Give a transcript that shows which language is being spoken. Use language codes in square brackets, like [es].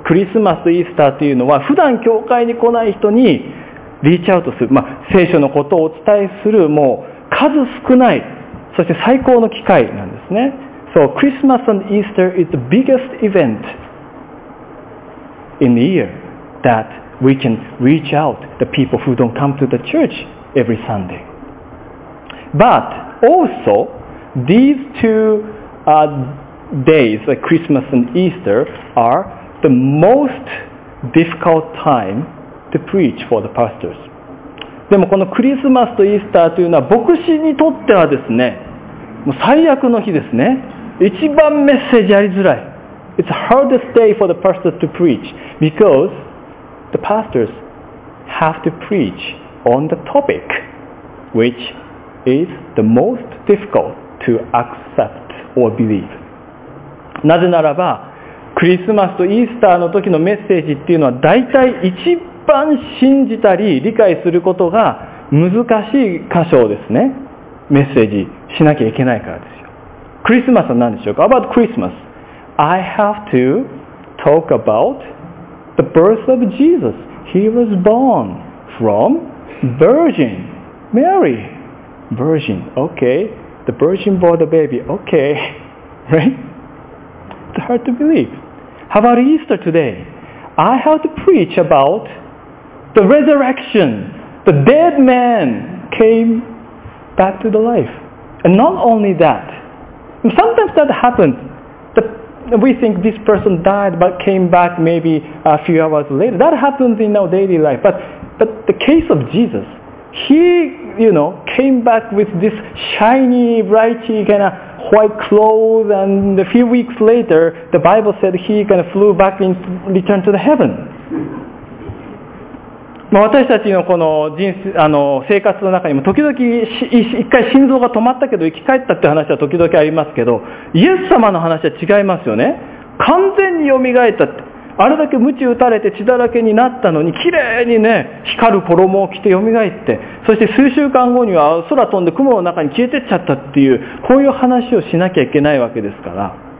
[ja] クリスマス、イースターというのは普段教会に来ない人にリーチアウトする、まあ、聖書のことをお伝えするもう数少ないそして最高の機会なんですね。 [en] So Christmas and Easter is the biggest event in the year that we can reach out the people who don't come to the church every Sunday. But also these two days, like Christmas and Easter, are the most difficult time to preach for the pastors. [ja] でもこのクリスマスとイースターというのは牧師にとってはですね、もう最悪の日ですね。一番メッセージやりづらい。 [en] It's the hardest day for the pastors to preach because the pastors have to preach on the topic which is the most difficult to accept or believe. [ja] なぜならばクリスマスとイースターの時のメッセージっていうのは大体一番信じたり理解することが難しい箇所ですね。メッセージしなきゃいけないからですよ。クリスマスは何でしょうか。 [en] About Christmas I have to talk about the birth of Jesus. He was born from Virgin Mary. Virgin, okay. The Virgin bore the baby, okay. Right? Hard to believe. How about Easter today? I have to preach about the resurrection. The dead man came back to the life. And not only that. Sometimes that happens. We think this person died but came back maybe a few hours later. That happens in our daily life. But the case of Jesus, he, you know, came back with this shiny, brighty kind ofwhite clothes, and a few weeks later, the Bible said he kind of flew back and returned to the heaven. [ja] まあ私たちのこの人生、生活の中にも時々一回心臓が止まったけど生き返ったって話は時々ありますけど、イエス様の話は違いますよね。完全に蘇ったって。あれだけ鞭打たれて血だらけになったのに、きれいにね、光る衣を着て蘇って、そして数週間後には空飛んで雲の中に消えてっちゃったっていう、こういう話をしなきゃいけないわけですから。